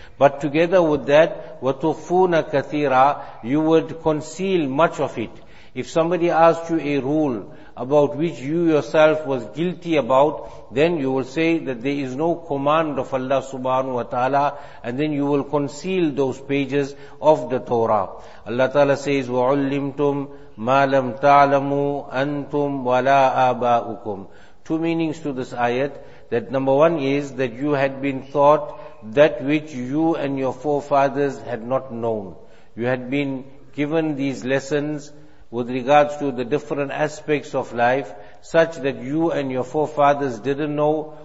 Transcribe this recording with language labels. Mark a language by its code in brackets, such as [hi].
[en] But together with that, [ar] وَتُخْفُونَ كَثِيرًا, [en] you would conceal much of it. If somebody asked you a rule about which you yourself was guilty about, then you will say that there is no command of Allah subhanahu wa ta'ala, and then you will conceal those pages of the Torah. Allah Ta'ala says, [ar] وَعُلِّمْتُمْ مَا لَمْ تَعْلَمُوا أَنْتُمْ وَلَا آبَاؤُكُمْ. [en] Two meanings to this ayat. That number one is that you had been taught that which you and your forefathers had not known. You had been given these lessons with regards to the different aspects of life, such that you and your forefathers didn't know.